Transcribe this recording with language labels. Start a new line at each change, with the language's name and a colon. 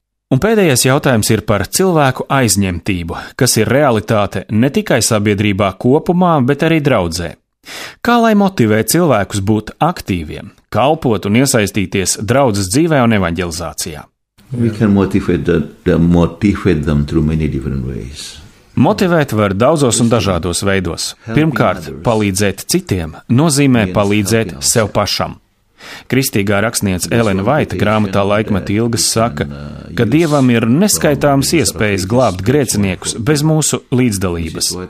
Latvian: Un pēdējais jautājums ir par cilvēku aizņemtību, kas ir realitāte ne tikai sabiedrībā kopumā, bet arī draudzē. Kā lai motivē cilvēkus būt aktīviem, kalpot un iesaistīties draudzes dzīvē un evaņģelizācijā?
English: We can motivate them through many different ways.
Latvian: Motivēt var daudzos un dažādos veidos. Pirmkārt, palīdzēt citiem nozīmē palīdzēt sev pašam. Kristīgā rakstniece Ellen White grāmatā Laikmeti ilgas saka, ka Dievam ir neskaitāmas iespējas glābt grēciniekus bez mūsu līdzdalības.